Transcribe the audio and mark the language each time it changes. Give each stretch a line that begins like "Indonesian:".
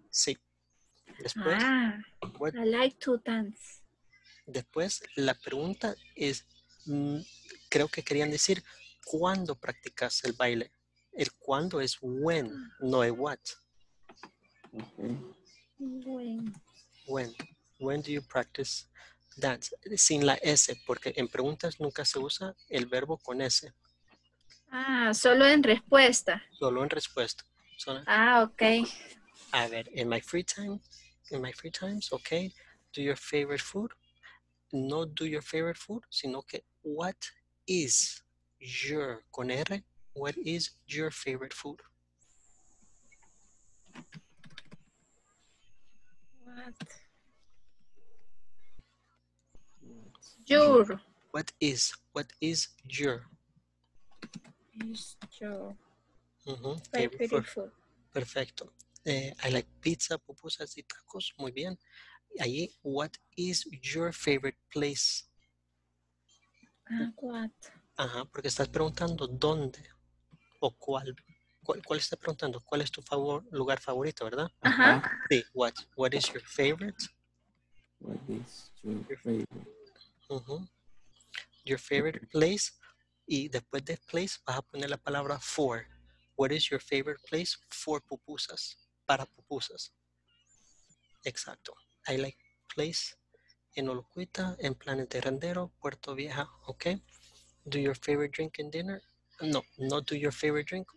Spanish: Sí. Después.
English: What? I like to dance.
Spanish: Después, la pregunta es, creo que querían decir, ¿cuándo practicas el baile? El cuándo es when, no es what.
English: When. When do you practice dance?
Spanish: Sin la S, porque en preguntas nunca se usa el verbo con S. Ah, solo en respuesta. Solo en respuesta. Solo. Ah, ok. A ver,
English: in my free time, in my free times, okay. Do your favorite food.
Spanish: No do your favorite food, sino que
English: what is your,
Spanish: con R,
English: what is your favorite food? What? Your. What is your? Is your. Favorite food.
Spanish: Perfecto.
English: I like pizza,
Spanish: pupusas y tacos. Muy bien.
English: Ahí, what is your favorite place? What?
Spanish: Ajá, porque estás preguntando dónde o cuál. ¿Cuál estás preguntando? ¿Cuál es tu lugar favorito, verdad? Ajá.
English: Sí, what? What is your favorite? What is your favorite? Your favorite place.
Spanish: Y después de place vas a poner la palabra for.
English: What is your favorite place for pupusas?
Spanish: Para pupusas. Exacto.
English: I like place
Spanish: en Olocuita, en Planes de Rendero, Puerto Vieja. Okay.
English: Do your favorite drink and dinner? No, not do your favorite drink.